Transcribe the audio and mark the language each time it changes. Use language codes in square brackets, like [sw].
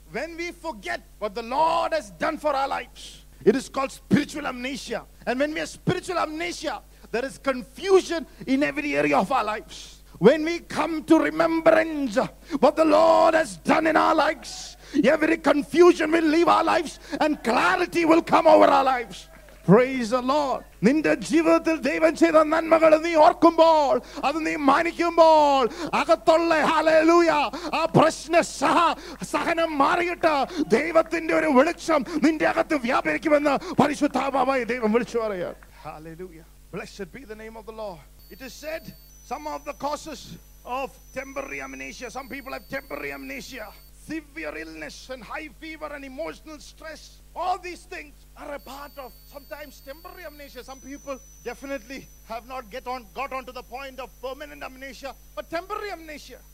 [en] When we forget what the Lord has done for our lives, it is called spiritual amnesia. And when we have spiritual amnesia, there is confusion in every area of our lives. When we come to remembrance what the Lord has done in our lives, every confusion will leave our lives and clarity will come over our lives. Praise the Lord. [ml] നിന്റെ ജീവിതത്തിൽ ദൈവൻ ചെയ്ത നന്മകൾ നീ ഓർക്കുമ്പോൾ, അത് നീ മാനിക്കുമ്പോൾ, അകത്തുള്ള hallelujah ആ പ്രശ്ന സഹനം മാറിയിട്ട് ദൈവത്തിന്റെ ഒരു വെളിച്ചം നിന്റെ അകത്ത് വ്യാപരിക്കുമെന്ന് പരിശുദ്ധാത്മാവായ ദൈവം വിളിച്ചു പറയുക. [en] Hallelujah. Blessed be the name of the Lord. It is said some of the causes of temporary amnesia, some people have temporary amnesia, severe illness and high fever and emotional stress, all these things are a part of sometimes temporary amnesia. Some people definitely have not got on to the point of permanent amnesia, but temporary amnesia.